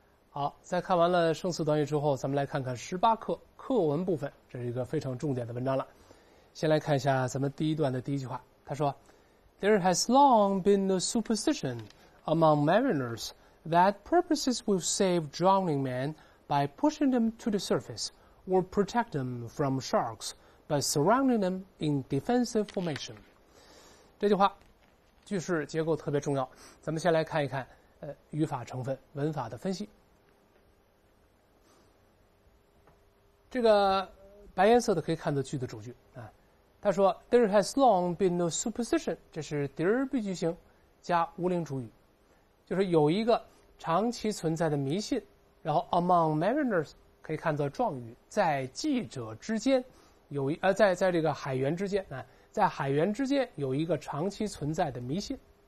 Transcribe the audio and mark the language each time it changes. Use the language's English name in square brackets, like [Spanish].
[Chinese] 好，在看完了生词短语之后，咱们来看看18课课文部分，这是一个非常重点的文章了。 [English] 先来看一下咱们第一段的第一句话， [Chinese] 他说 [English] There has long been a superstition among mariners that porpoises will save drowning men by pushing them to the surface or protect them from sharks by surrounding them in defensive formation. [Chinese] 这句话句式结构特别重要，咱们先来看一看语法成分，文法的分析。这个白颜色的可以看作句的主句啊，他说 [English] There has long been a superstition， [Chinese] 这是 there 必句型加无灵主语，就是有一个长期存在的迷信，然后 [English] among mariners [Chinese] 可以看作状语，在记者之间有一在这个海员之间啊，在海员之间有一个长期存在的迷信。